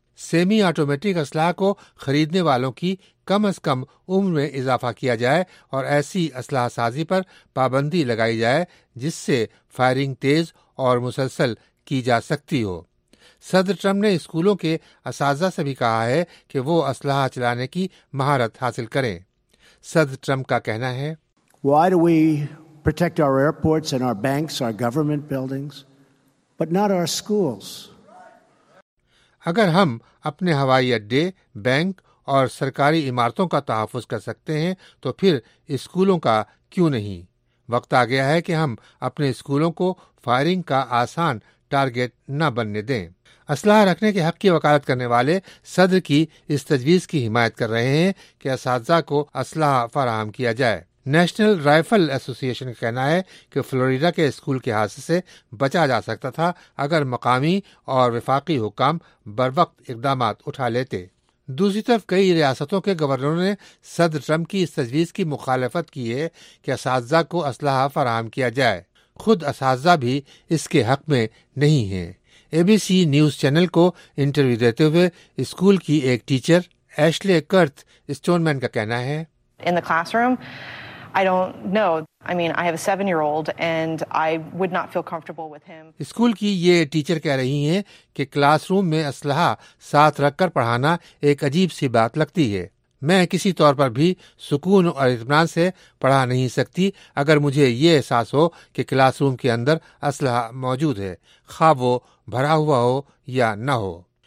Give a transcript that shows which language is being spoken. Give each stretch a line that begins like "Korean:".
Urdu: Semi automatic اسلحہ کو خریدنے والوں کی کم از کم عمر میں اضافہ کیا جائے اور ایسی اسلحہ سازی پر پابندی لگائی جائے جس سے فائرنگ تیز اور مسلسل کی جا سکتی ہو. صدر ٹرمپ نے اسکولوں کے اساتذہ سے بھی کہا ہے کہ وہ اسلحہ چلانے کی مہارت حاصل کریں. صدر ٹرمپ کا کہنا ہے,
English: Why do we protect our airports and our banks, our government buildings, but not our schools?
Urdu: اگر ہم اپنے ہوائی اڈے, بینک اور سرکاری عمارتوں کا تحفظ کر سکتے ہیں تو پھر اسکولوں کا کیوں نہیں؟ وقت آ گیا ہے کہ ہم اپنے اسکولوں کو فائرنگ کا آسان ٹارگیٹ نہ بننے دیں. اسلحہ رکھنے کے حق کی وکالت کرنے والے صدر کی اس تجویز کی حمایت کر رہے ہیں کہ اساتذہ کو اسلحہ فراہم کیا جائے. نیشنل رائفل ایسوسی ایشن کا کہنا ہے کہ فلوریڈا کے اسکول کے حادثے سے بچا جا سکتا تھا اگر مقامی اور وفاقی حکام بر وقت اقدامات اٹھا لیتے. دوسری طرف کئی ریاستوں کے گورنروں نے صدر ٹرمپ کی اس تجویز کی مخالفت کی ہے کہ اساتذہ کو اسلحہ فراہم کیا جائے. خود اساتذہ بھی اس کے حق میں نہیں ہیں. اے بی سی نیوز چینل کو انٹرویو دیتے ہوئے اسکول کی ایک ٹیچر ایشلے کرتھ اسٹون مین کا کہنا ہے,
English: In the classroom, I don't know. I mean, I have a 7-year-old and I would not feel comfortable with him.
Urdu: School کی یہ ٹیچر کہہ رہی ہیں کہ کلاس روم میں اسلحہ ساتھ رکھ کر پڑھانا ایک عجیب سی بات لگتی ہے. میں کسی طور پر بھی سکون اور اطمینان سے پڑھا نہیں سکتی اگر مجھے یہ احساس ہو کہ کلاس روم کے اندر اسلحہ موجود ہے, خواہ وہ بھرا ہوا ہو یا نہ ہو.